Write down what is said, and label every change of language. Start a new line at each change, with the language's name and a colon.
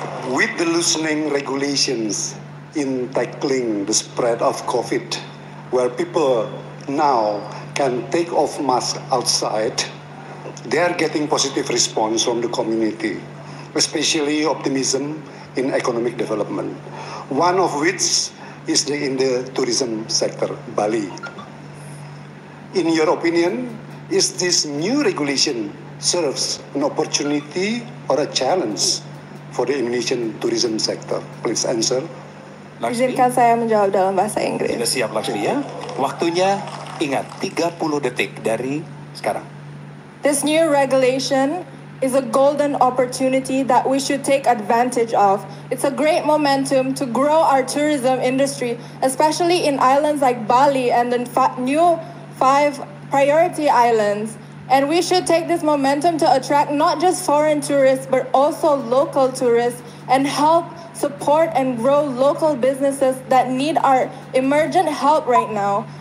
English: With the loosening regulations in tackling the spread of COVID, where people now can take off masks outside, they are getting positive response from the community, especially optimism in economic development, one of which is in the tourism sector, Bali. In your opinion, is this new regulation serves an opportunity or a challenge for the Indonesian tourism sector? Please answer.
Indonesian: Izinkan saya menjawab dalam bahasa Inggris. Sudah siap Lakshmi ya. Waktunya ingat 30 detik dari sekarang.
English: This new regulation is a golden opportunity that we should take advantage of. It's a great momentum to grow our tourism industry, especially in islands like Bali and the new five priority islands. And we should take this momentum to attract not just foreign tourists, but also local tourists and help support and grow local businesses that need our emergent help right now.